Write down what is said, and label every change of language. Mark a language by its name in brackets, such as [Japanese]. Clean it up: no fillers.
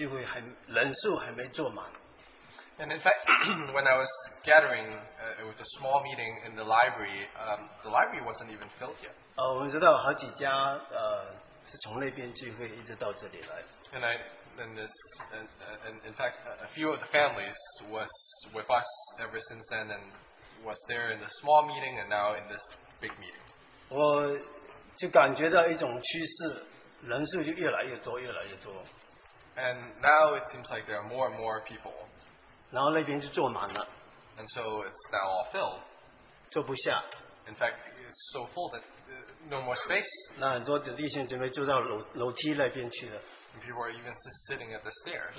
[Chinese] 其实我来这里聚会的时候，图书馆那边聚会还人数还没坐满。 [English] And in fact, when I was gathering with a small meeting in the library, the library wasn't even filled yet. [Chinese] 我们知道好几家是从那边聚会一直到这里来。 [English] And in fact, a few of the families was with us ever since then, and was there in the small meeting, and now in this big meeting. [Chinese] 就感觉到一种趋势，人数就越来越多，越来越多。 [English] And now it seems like there are more and more people. [Chinese] 然后那边就坐满了。 [English] And so it's now all filled. [Chinese] 坐不下。 [English] In fact, it's so full that no more space. [Chinese] 那很多的弟兄姐妹就到楼梯那边去了。 [English] And people are even sitting at the stairs.